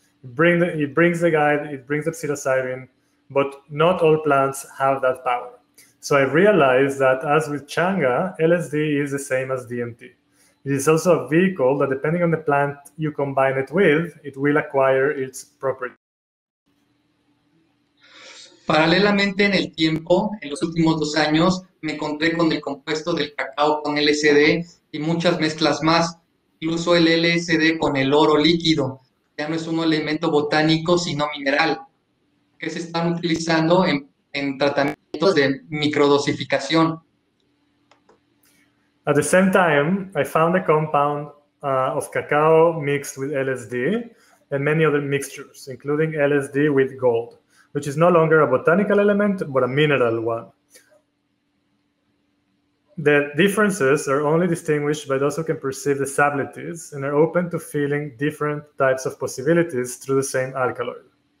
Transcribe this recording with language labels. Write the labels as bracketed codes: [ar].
[en] It brings the guide, it brings the psilocybin, but not all plants have that power. So I realized that as with Changa, LSD is the same as DMT. It is also a vehicle that, depending on the plant you combine it with, it will acquire its property." [es] Paralelamente en el tiempo, en los últimos 2 años, me encontré con el compuesto del cacao con LSD y muchas mezclas más, incluso el LSD con el oro líquido. Ya no es un elemento botánico, sino mineral, que se están utilizando en tratamientos de microdosificación. [en] At the same time, I found a compound of cacao mixed with LSD and many other mixtures, including LSD with gold, which is no longer a botanical element, but a mineral one. The differences are only distinguished by those who can perceive the subtleties and are open to feeling different types of possibilities through the same alkaloid.